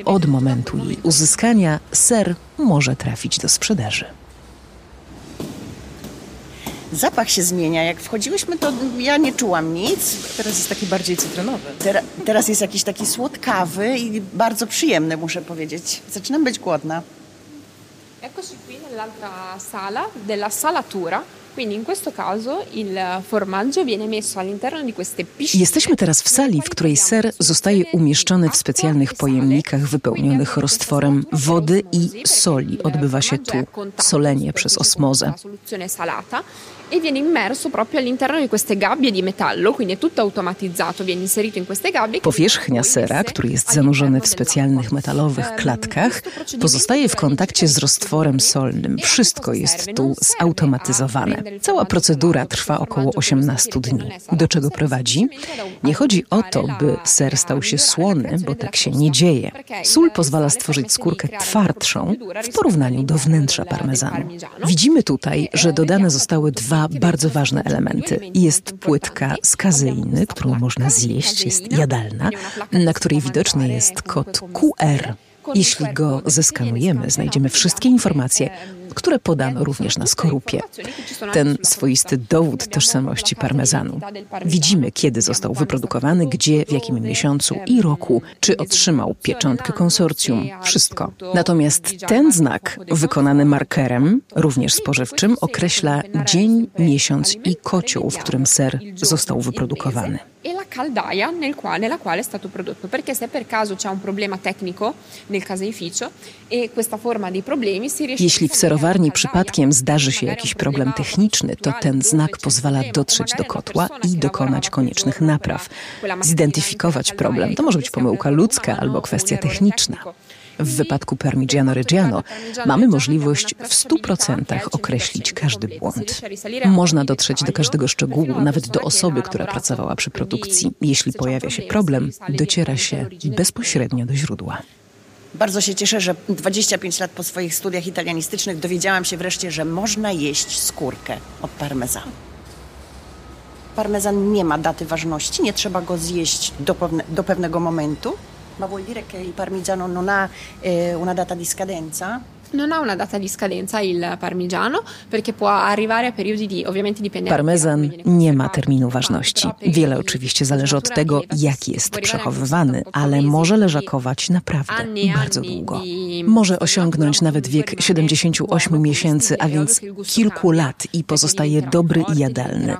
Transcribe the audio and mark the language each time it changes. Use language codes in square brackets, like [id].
[pl] Od momentu jej uzyskania ser może trafić do sprzedaży. Zapach się zmienia. Jak wchodziłyśmy, to ja nie czułam nic. Teraz jest taki bardziej cytrynowy. Teraz jest jakiś taki słodkawy i bardzo przyjemny, muszę powiedzieć. Zaczynam być głodna. [it] Eccoci qui nell'altra sala della salatura. Quindi in questo caso il formaggio viene messo all'interno di queste piscine. [pl] Jesteśmy teraz w sali, w której ser zostaje umieszczony w specjalnych pojemnikach wypełnionych roztworem wody i soli. Odbywa się tu solenie przez osmozę. [it] Soluzione salata e viene immerso proprio all'interno di queste gabbie di metallo, quindi è tutto automatizzato, viene inserito in queste gabbie. [pl] Powierzchnia sera, który jest zanurzony w specjalnych metalowych klatkach, pozostaje w kontakcie z roztworem solnym. Wszystko jest tu zautomatyzowane. Cała procedura trwa około 18 dni. Do czego prowadzi? Nie chodzi o to, by ser stał się słony, bo tak się nie dzieje. Sól pozwala stworzyć skórkę twardszą w porównaniu do wnętrza parmezanu. Widzimy tutaj, że dodane zostały dwa bardzo ważne elementy. Jest płytka z kazeiny, którą można zjeść, jest jadalna, na której widoczny jest kod QR. Jeśli go zeskanujemy, znajdziemy wszystkie informacje, które podano również na skorupie. Ten swoisty dowód tożsamości parmezanu. Widzimy, kiedy został wyprodukowany, gdzie, w jakim miesiącu i roku, czy otrzymał pieczątkę konsorcjum, wszystko. Natomiast ten znak, wykonany markerem, również spożywczym, określa dzień, miesiąc i kocioł, w którym ser został wyprodukowany. [it] E la caldaia nella quale è stato prodotto, perché se per caso c'è un problema tecnico nel caseificio e questa forma dei problemi si riesce. [pl] Jeśli w serowarni przypadkiem zdarzy się jakiś problem techniczny, to ten znak pozwala dotrzeć do kotła i dokonać koniecznych napraw. Zidentyfikować problem to może być pomyłka ludzka albo kwestia techniczna. W wypadku Parmigiano Reggiano mamy możliwość w 100% określić każdy błąd. Można dotrzeć do każdego szczegółu, nawet do osoby, która pracowała przy produkcji. Jeśli pojawia się problem, dociera się bezpośrednio do źródła. Bardzo się cieszę, że 25 lat po swoich studiach italianistycznych dowiedziałam się wreszcie, że można jeść skórkę od parmezanu. Parmezan nie ma daty ważności, nie trzeba go zjeść do pewnego momentu. [it] Ma vuol dire che il parmigiano non ha una data di scadenza? Non ha una data di scadenza il parmigiano, perché può arrivare a periodi di, ovviamente dipende. [pl] Parmezan nie ma terminu ważności. Wiele oczywiście zależy od tego, jak jest przechowywany, ale może leżakować naprawdę bardzo długo. Może osiągnąć nawet wiek 78 miesięcy, a więc kilku lat i pozostaje dobry i jadalny.